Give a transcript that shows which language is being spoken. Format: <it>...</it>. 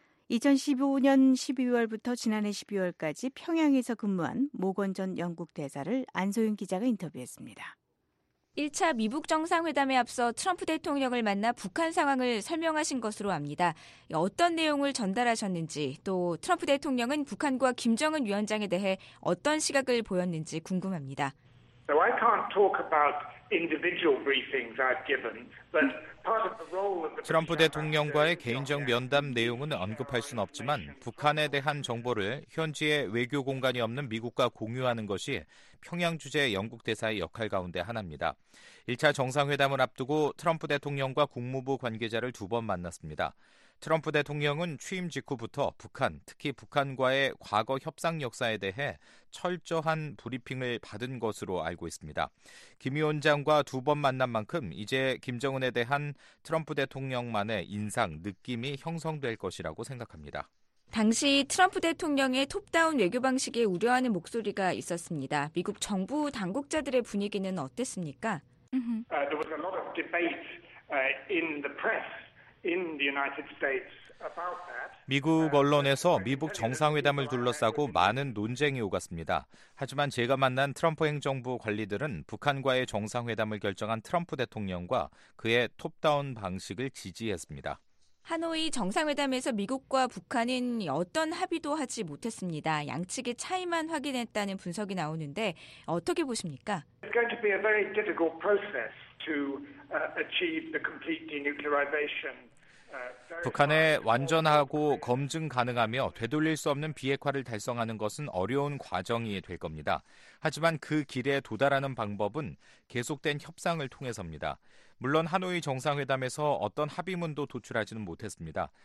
<ko>2015년 12월부터 지난해 12월까지 평양에서 근무한 모건 전 영국 대사를 안소윤 기자가 인터뷰했습니다. 1차 미북 정상회담에 앞서 트럼프 대통령을 만나 북한 상황을 설명하신 것으로 압니다. 어떤 내용을 전달하셨는지 또 트럼프 대통령은 북한과 김정은 위원장에 대해 어떤 시각을 보였는지 궁금합니다.</ko> <en>So I can't talk about individual briefings I've given, but part of the role of the</en> <ko>트럼프 대통령과의 개인적 면담 내용은 언급할 순 없지만 북한에 대한 정보를 현지에 외교 공간이 없는 미국과 공유하는 것이 평양 주재 영국 대사의 역할 가운데 하나입니다. 1차 정상회담을 앞두고 트럼프 대통령과 국무부 관계자를 두 번 만났습니다. 트럼프 대통령은 취임 직후부터 북한, 특히 북한과의 과거 협상 역사에 대해 철저한 브리핑을 받은 것으로 알고 있습니다. 김 위원장과 두 번 만난 만큼 이제 김정은에 대한 트럼프 대통령만의 인상, 느낌이 형성될 것이라고 생각합니다. 당시 트럼프 대통령의 톱다운 외교 방식에 우려하는 목소리가 있었습니다. 미국 정부 당국자들의 분위기는 어땠습니까?</ko> <en>There was a lot of debate in the press. In the United States about that.</en> <ko>미국 언론에서 미북 정상회담을 둘러싸고 많은 논쟁이 오갔습니다. 하지만 제가 만난 트럼프 행정부 관리들은 북한과의 정상회담을 결정한 트럼프 대통령과 그의 톱다운 방식을 지지했습니다. 하노이 정상회담에서 미국과 북한은 어떤 합의도 하지 못했습니다. 양측의 차이만 확인했다는 분석이 나오는데 어떻게 보십니까?</ko> <en>It's going to be a very difficult process to achieve the complete denuclearization.</en> <ko>북한의 완전하고 검증 가능하며 되돌릴 수 없는 비핵화를 달성하는 것은 어려운 과정이 될 겁니다. 하지만 그 길에 도달하는 방법은 계속된 협상을 통해서입니다. 물론 하노이 정상회담에서 어떤 합의문도 도출하지는 못했습니다.</ko>